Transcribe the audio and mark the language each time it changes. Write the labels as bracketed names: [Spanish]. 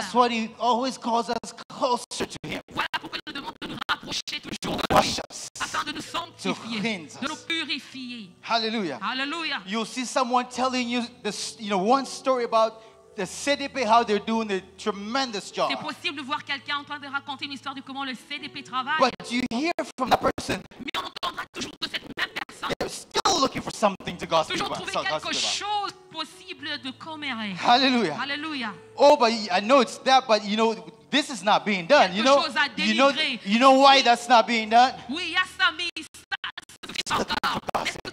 [English] That's what He always calls us closer to Him. [French] Voilà pourquoi il nous demande de nous rapprocher toujours de Lui, afin de nous sanctifier, de nous purifier. [English] Hallelujah. [French] Hallelujah. [English] You'll see someone telling you this, you know, one story about the CDP, how they're doing a tremendous job. [French] C'est possible de voir quelqu'un en train de raconter une histoire de comment le CDP travaille. [English] But you hear from that person. [French] Mais on entendra toujours de cette même personne. [English] They're still looking for something to gossip [French] toujours [English] about. [French] Toujours trouver quelque chose possible de commérer. [English] Hallelujah. [French] Hallelujah. [English] Oh, but I know it's that, but you know, this is not being done. You know, you know why that's not being done? [French] Oui, il y a ça, mais ça se fait encore.